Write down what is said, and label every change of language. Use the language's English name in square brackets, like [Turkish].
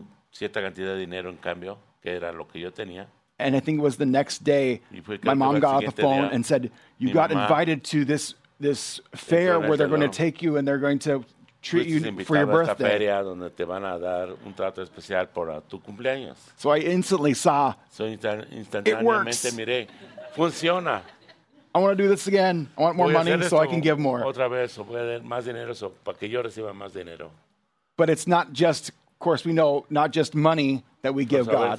[Spanish] Cierta cantidad de dinero en cambio, que era lo que yo tenía. [English] And I think it was the next day, my mom got off the phone [Spanish] día, [English] and said, you got invited to this fair where they're going to take you and they're going to treat you for your birthday. [Spanish] Donde te van a dar un trato especial por tu cumpleaños. [English] So I instantly saw, [Spanish] so instantáneamente miré, funciona. [English] I want to do this again. I want more money so I can give more. [Spanish] Otra vez, voy a dar más dinero para que yo reciba más dinero. [English] But it's not just, of course, we know, not just money that we give God.